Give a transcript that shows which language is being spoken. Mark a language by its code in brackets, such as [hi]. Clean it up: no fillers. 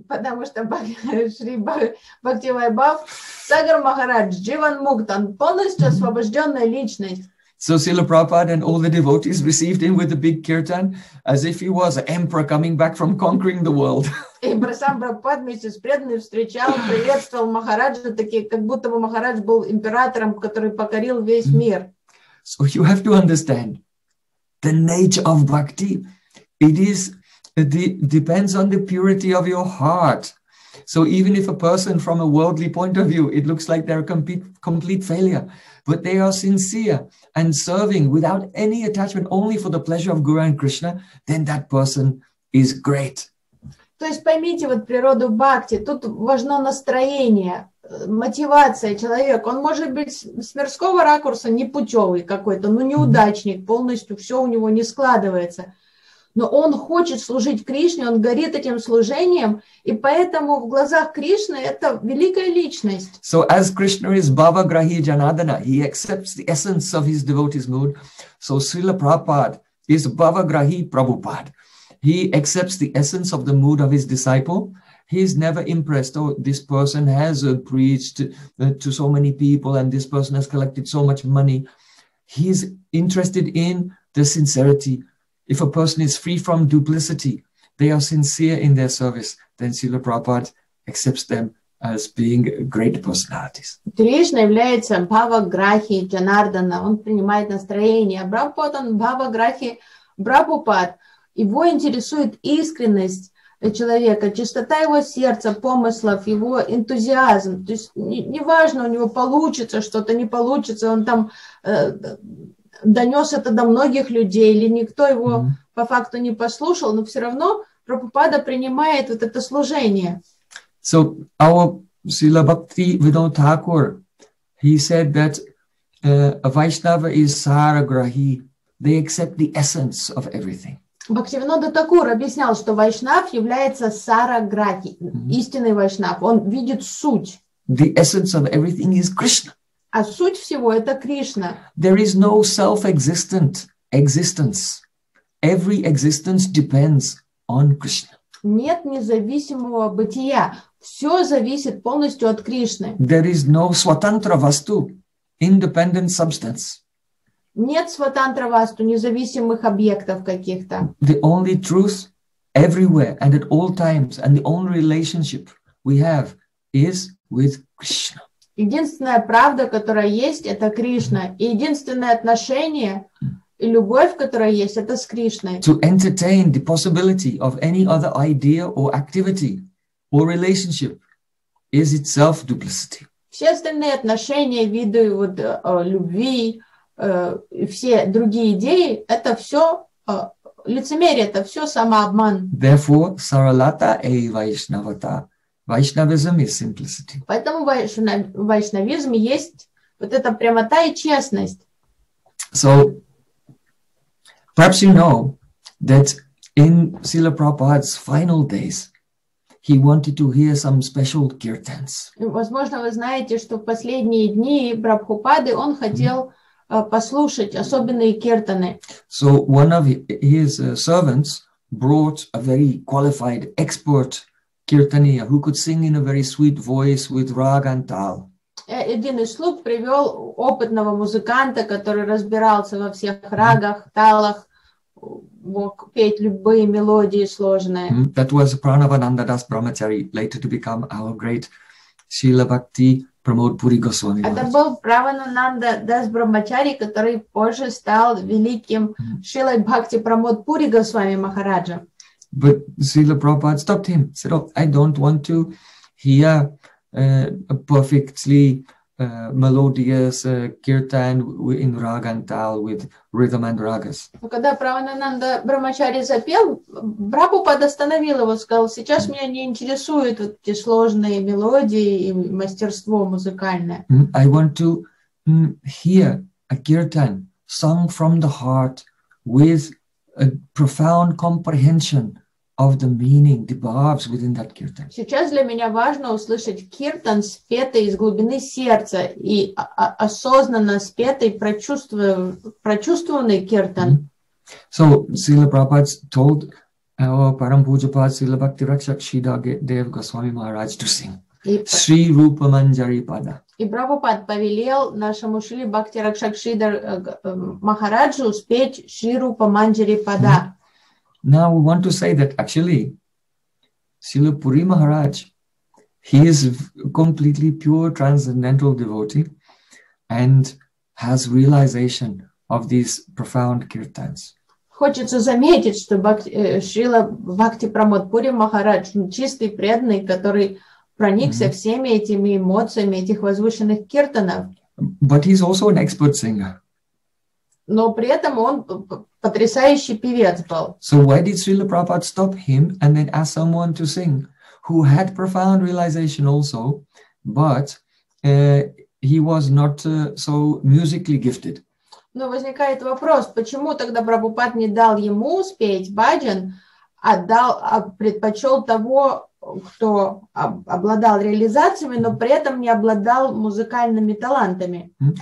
[ru] Потому что Шри Бхакти Вайбав Сагар Махарадж, Jivan Mukta, полностью освобожденная личность. [en] So Srila Prabhupada and all the devotees received him with a big kirtan, as if he was an emperor coming back from conquering the world. [ru] И сам Прабхупад вместе с преданными встречал, приветствовал Махараджа, такие, как будто бы Махарадж был императором, который покорил весь мир. [en] So you have to understand the nature of bhakti. It is depends on the purity of your heart. So even if a person from a worldly point of view, it looks like they're a complete failure. But they are sincere and serving without any attachment, only for the pleasure of Guru and Krishna, then that person is great. [ru] То есть поймите вот природу бхакти. Тут важно настроение, мотивация человека. Он может быть с мирского ракурса непутевый какой-то, но неудачник, полностью все у него не складывается. Но он хочет служить Кришне, он горит этим служением, и поэтому в глазах Кришны это великая личность. [en] So as Krishna is Bhava Grahi Janadana, he accepts the essence of his devotee's mood. So Srila Prabhupada is Bhava Grahi Prabhupada. He accepts the essence of the mood of his disciple. He is never impressed, oh, this person has preached to so many people and this person has collected so much money. He is interested in the sincerity. If a person is free from duplicity, they are sincere in their service, then Srila Prabhupada accepts them as being great personalities. [ru] Кришна является Бхава Грахи Джанардана. Он принимает настроение. Прабхупада, он Бхава Грахи Прабхупад. Его интересует искренность человека, чистота его сердца, помыслов, его энтузиазм. То есть неважно, у него получится что-то, не получится, он там... донес это до многих людей, или никто его по факту не послушал, но все равно Прабхупада принимает вот это служение. [en] So, our Srila Bhakti Vinod Thakur, he said that a Vaishnava is Saragrahi, they accept the essence of everything. [ru] Бхакти Винода Такур объяснял, что Вайшнав является Сараграхи, истинный Вайшнав, он видит суть. [en] The essence of everything is Krishna. [ru] А суть всего – это Кришна. [en] There is no self-existent existence. Every existence depends on Krishna. [ru] Нет независимого бытия. Все зависит полностью от Кришны. [en] There is no svatantra vastu, independent substance. [ru] Нет svatantra vastu, независимых объектов каких-то. [en] The only truth everywhere and at all times and the only relationship we have is with Krishna. [ru] Единственная правда, которая есть, это Кришна. И единственное отношение и любовь, которая есть, это с Кришной. [en] To entertain the possibility of any other idea or activity or relationship is itself duplicity. [ru] Все остальные отношения, виды вот, любви, все другие идеи, это все лицемерие, это все самообман. [en] Therefore, [bn] Saralata ei Vaishnavata. [en] Vaishnavism is simplicity. [ru] Поэтому вайшнавизм есть вот эта прямота и честность. [en] So, perhaps you know that in Srila Prabhupada's final days, he wanted to hear some special kirtans. [ru] Возможно, вы знаете, что в последние дни Прабхупады он хотел послушать особенные киртаны. [en] So, one of his servants brought a very qualified expert kirtaniya, who could sing in a very sweet voice with raga and tal. [ru] Один из слуг привел опытного музыканта, который разбирался во всех рагах, талах, мог петь любые мелодии сложные. [en] That was Pranavananda Das Brahmachari, later to become our great Srila Bhakti Pramod Puri Goswami. [ru] Это был Pranavananda Das Brahmachari, который позже стал великим Шрилой Бхакти Прамод Пури Госвами Махараджа. [en] But Srila Prabhupada stopped him, said, oh, I don't want to hear a perfectly melodious kirtan in raga and tal with rhythm and ragas. [ru] Когда Правананда Брамачари запел, Прабхупада остановил его, сказал: "Сейчас меня не интересуют эти сложные мелодии и мастерство музыкальное. [en] I want to hear a kirtan sung from the heart with a profound comprehension of the meaning, the bhavs within that kirtan. [ru] Сейчас для меня важно услышать киртан, спетый из глубины сердца и осознанно спетый, прочувствованный киртан. [en] So, Srila Prabhupada told our Parampujapad Srila Bhakti Rakshak Shida Dev Goswami Maharaj to sing. Sri Rupa Manjari Pada. [ru] И Прабхупад повелел нашему Шри Бхакти Ракшак Шридар Махараджу спеть Шри Рупа Манджари Пада. [en] Now we want to say that actually Srila Puri Maharaj, he is completely pure transcendental devotee and has realization of these profound kirtans. [ru] Хочется заметить, что Шрила Бхакти Прамод Пури Махарадж чистый преданный, который проникся всеми этими эмоциями этих возвышенных киртанов. [en] But he's also an expert singer. [ru] Но при этом он потрясающий певец был. [en] So why did Srila Prabhupada stop him and then ask someone to sing who had profound realization also, but he was not so musically gifted? [ru] Но возникает вопрос, почему тогда Прабхупад не дал ему спеть баджан, а предпочел того, кто обладал реализациями, но при этом не обладал музыкальными талантами.